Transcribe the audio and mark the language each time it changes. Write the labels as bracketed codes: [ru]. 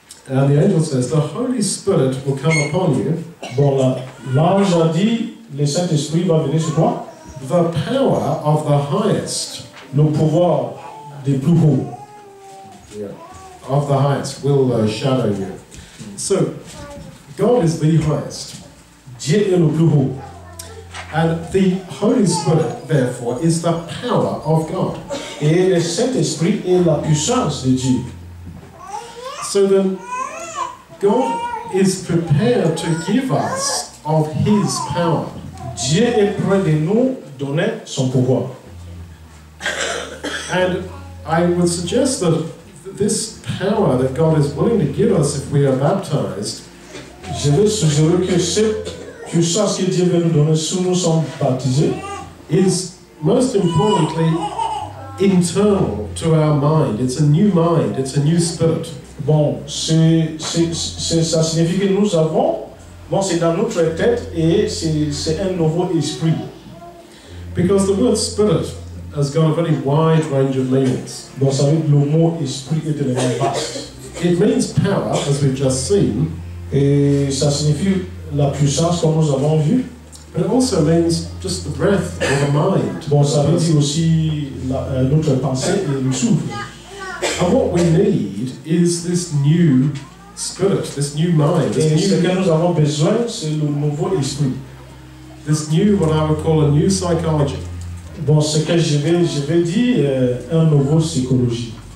[en] And the angel says, the Holy Spirit will come upon you. [fr] Bon, l'ange a dit, le Saint-Esprit va venir sur toi. [en] The power of the highest. [fr] Le pouvoir des plus hauts. [en] Yeah. Of the highest will shadow you. So, God is the highest. [fr] Dieu est le plus haut. [en] And the Holy Spirit, therefore, is the power of God. [fr] Et le Saint-Esprit est la puissance de Dieu. [en] So then, God is prepared to give us of His power. [fr] Dieu est prêt de nous donner son pouvoir. [en] And I would suggest that this power that God is willing to give us if we are baptized, [fr] je veux suggérer que cette puissance que Dieu veut nous donner si nous sommes baptisés, [en] is most importantly internal to our mind. It's a new mind. It's a new spirit. [fr] Bon, ça signifie que nous avons, bon, c'est dans notre tête et c'est un nouveau esprit. [en] Because the word spirit has got a very wide range of meanings. [fr] Bon, ça veut dire le mot esprit est de même vaste. [en] It means power, as we've just seen. [fr] Et ça signifie la puissance comme nous avons vu. [en] But it also means just the breath of the mind. [fr] Bon, ça veut dire aussi notre pensée et le souffle. [en] And what we need is this new spirit, this new mind. This new, what I would call a new psychology. [fr] Bon, ce que je vais dire, un nouveau psychologie.